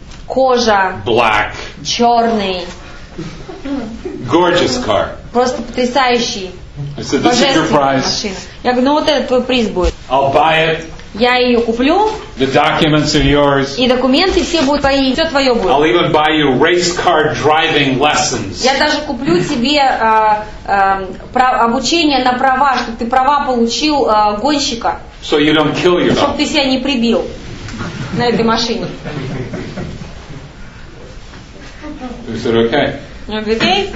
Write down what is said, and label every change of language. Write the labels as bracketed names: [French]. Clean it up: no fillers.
[Russian] Кожа. [English] Black. [Russian] Черный. [English] Gorgeous car. [Russian] Просто потрясающий. [English] I said, this is your prize. [Russian] Машина. Я говорю, ну вот это твой приз будет. [English] I'll buy it. [Russian] Я ее куплю. [English] The documents are yours. [Russian] И документы все будут твои. Все твое будет. [English] I'll even buy you race car driving lessons. [Russian] Я даже куплю тебе обучение на права, чтобы ты права получил гонщика. [English] So you don't kill yourself. [Russian] Чтобы ты себя не прибил на этой машине. [English] He said, okay. Okay.